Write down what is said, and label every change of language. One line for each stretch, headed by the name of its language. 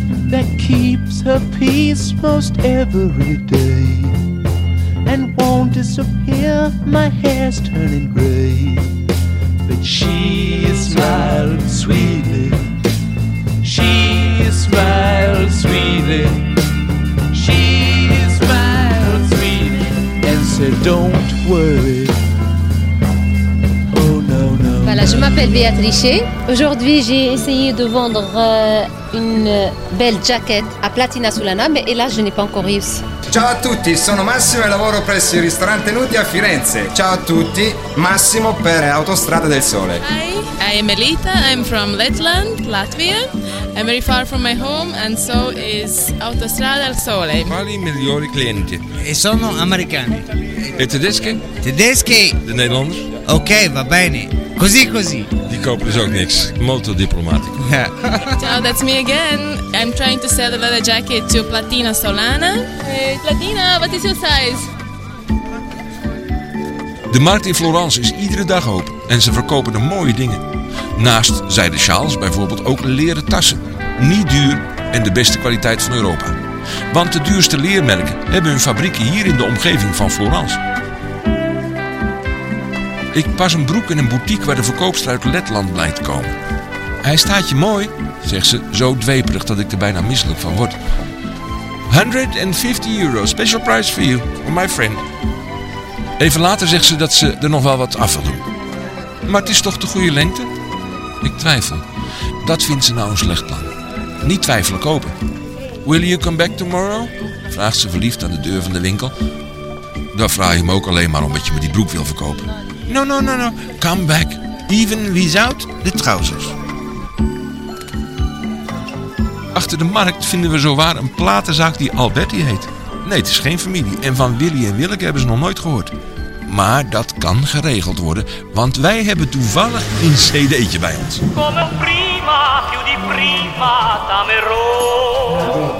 English: that keeps her peace most every day and won't disappear, my hair's turning gray. But she is smiling sweetly, she is smiling sweetly, she is smiling sweetly, and said, don't worry.
French: Voilà, je m'appelle Béatrice. Aujourd'hui, j'ai essayé de vendre une belle jacket à Platina Sulana, mais hélas, je n'ai pas encore réussi.
Italian: Ciao a tutti, sono Massimo e lavoro presso il ristorante Nuti a Firenze. Ciao a tutti, Massimo per Autostrada del Sole.
English: Hi, I am Elita, I'm from Lettland, Latvia. I'm very far from my home and so is Autostrada del Sole.
Italian: Quali i migliori clienti? E sono americani. E tedesche? Tedesche.
Dutch: De Nederlanders?
Italian: Ok, va bene. Così, così. Di Copri
Dutch: so niks.
Italian: Molto diplomatico.
English: Ciao, that's me again. I'm trying to sell the leather jacket to Platina Solana. Hey, Platina, what is your size?
Dutch: De markt in Florence is iedere dag open en ze verkopen de mooie dingen. Naast zijden sjaals bijvoorbeeld ook leren tassen. Niet duur en de beste kwaliteit van Europa. Want de duurste leermerken hebben hun fabrieken hier in de omgeving van Florence. Ik pas een broek in een boutique waar de verkoopster uit Letland blijkt te komen. Hij staat je mooi, zegt ze, zo dweperig dat ik er bijna misselijk van word.
English: 150 euro, special price for you, for my friend.
Dutch: Even later zegt ze dat ze er nog wel wat af wil doen. Maar het is toch de goede lengte? Ik twijfel. Dat vindt ze nou een slecht plan. Niet twijfelen kopen.
English: Will you come back tomorrow?
Dutch: Vraagt ze verliefd aan de deur van de winkel. Daar vraag je me ook alleen maar omdat je me die broek wil verkopen.
English: No, no, no, no. Come back. Even without the trousers.
Dutch: Achter de markt vinden we zowaar een platenzaak die Alberti heet. Nee, het is geen familie. En van Willy en Willeke hebben ze nog nooit gehoord. Maar dat kan geregeld worden. Want wij hebben toevallig een cd'tje bij ons.
Italian: Come prima, più di prima, damero.